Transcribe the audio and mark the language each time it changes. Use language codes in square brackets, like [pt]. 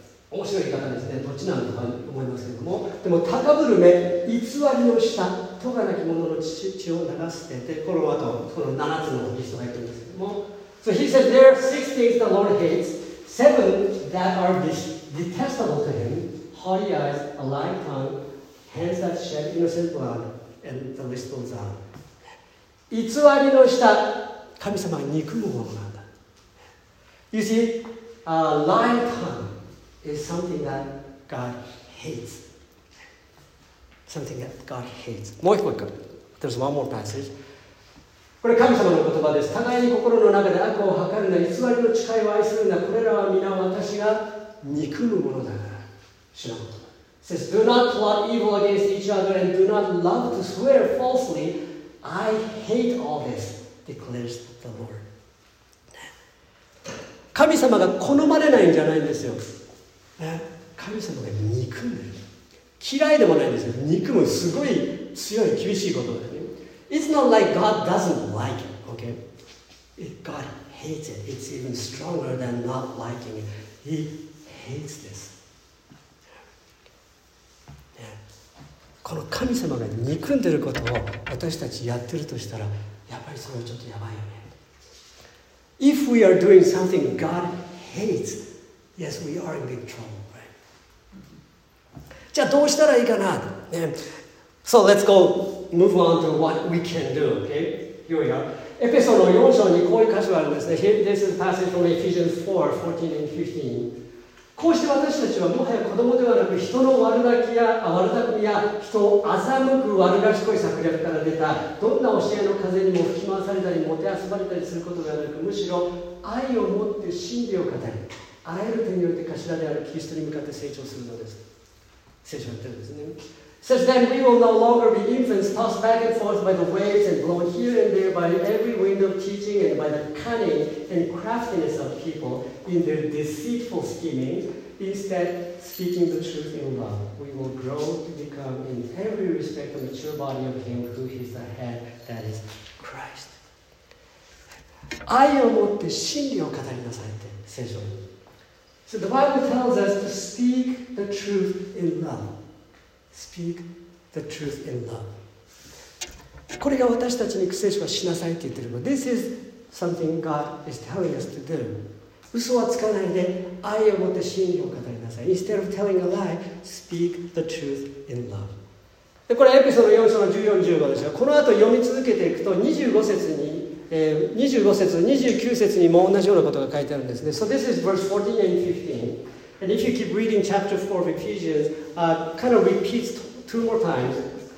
[ja] 面白い言い方ですね。どっちなのか思いますけども、でも高ぶる目、偽りの舌、咎なき者の血を流すてて、この後この7つのリストが入っているんですけども、 [en] So he said there are six things the Lord hates, seven that are detestable to him, haughty eyes, a lying tongue, hands that shed innocent blood, and the list goes on. [ja] 偽りの舌、神様が憎むものなんだ。 [en] You see, a lying tongue is something that God hates. Something that God hates. [ja] もう一個、 [en] There's one more passage. [ja] これ神様の言葉です。互いに心の中で悪を図るな、偽りの誓いを愛するな、これらは皆私が憎むものだから。主の言葉。 [en] It says, Do not plot evil against each other and do not love to swear falsely. I hate all this. Declares the Lord. [ja] 神様が好まれないんじゃないんですよ。神様が憎んでる。嫌いでもないんですよ。憎むすごい強い厳しい言葉ですね。 [en] It's not like God doesn't like it, okay? God hates it. It's even stronger than not liking it. He hates this. [ja] この神様が憎んでることを私たちやってるとしたら、やっぱりそれはちょっとやばいよね。 [en] If we are doing something God hates, yes, we are in big trouble, right? [ja] じゃあどうしたらいいかな、ね、 [en] So let's go move on to what we can do, okay? Here we are. [ja] エペソの4章にこういう箇所があるんですね。 [en] This is a passage from Ephesians 4, 14 and 15. [ja] こうして私たちはもはや子供ではなく人の悪だきや悪だくみや人を欺く悪がしこい策略から出たどんな教えの風にも吹き回されたりもてあそばれたりすることではなくむしろ愛を持って真理を語りあらゆる点において頭であるキリストに向かって成長するのです。聖書は言ってるんですね。 [en] Such then we will no longer be infants tossed back and forth by the waves and blown here and there by every wind of teaching and by the cunning and craftiness of people in their deceitful scheming. Instead, speaking the truth in love, we will grow to become in every respect the mature body of Him who is the head, that is Christ. [ja] 愛を持って真理を語りなさいって聖書。 [en] So the Bible tells us to speak the truth in love. Speak the truth in love. [ja] これが私たちに聖書はしなさいと言っている。 [en] This is something God is telling us to do. [ja] 嘘はつかないで愛を持って真理を語りなさい。 [en] Instead of telling a lie, speak the truth in love. [ja] でこれエピソード4章の14、15ですが、この後読み続けていくと25節に、25節、29節にも同じようなことが書いてあるんですね。 [en] So this is verse 14 and 15. And if you keep reading chapter 4 of Ephesians, kind of repeats two more times.